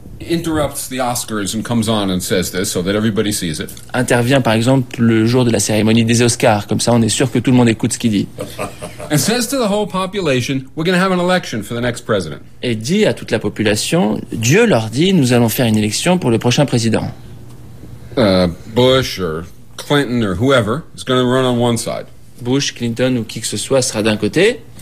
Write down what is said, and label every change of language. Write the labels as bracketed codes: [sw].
[en] Interrupts the Oscars and comes on and says this so that everybody sees it. [fr] Intervient par exemple le jour de la cérémonie des Oscars, comme ça on est sûr que tout le monde écoute ce qu'il dit. [en] And says to the whole population, we're going to have an election for the next president. [fr] Et dit à toute la population, Dieu leur dit, nous allons faire une élection pour le prochain président. [en] Bush or Clinton or whoever is going to run on one side. [fr] Bush, Clinton ou qui que ce soit sera d'un côté.